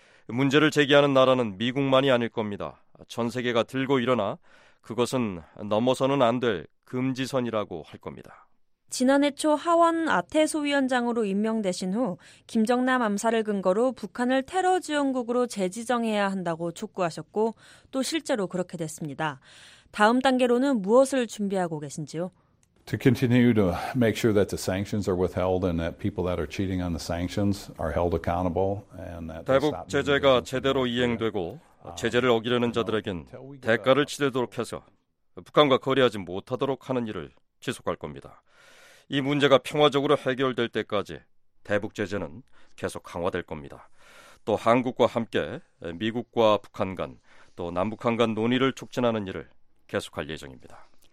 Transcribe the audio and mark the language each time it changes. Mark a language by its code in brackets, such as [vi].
[ko] 문제를 제기하는 나라는 미국만이 아닐 겁니다. 전 세계가 들고 일어나 그것은 넘어서는 안 될 금지선이라고 할 겁니다. 지난해 초 하원 아태소 위원장으로 임명되신 후 김정남 암살을 근거로 북한을 테러 지원국으로 재지정해야 한다고 촉구하셨고 또 실제로 그렇게 됐습니다. 다음 단계로는 무엇을 준비하고 계신지요? [en] To continue to make sure that the sanctions are withheld and that people that are cheating on the sanctions are held accountable and that [ko] 대북 제재가 제대로 이행되고 제재를 어기려는 자들에겐 대가를 치르도록 해서 북한과 거래하지 못하도록 하는 일을 지속할 겁니다. 이 문제가 평화적으로 해결될 때까지 대북 제재는 계속 강화될 겁니다. 또 한국과 함께 미국과 북한 간 또 남북한 간 논의를 촉진하는 일을 계속할 예정입니다.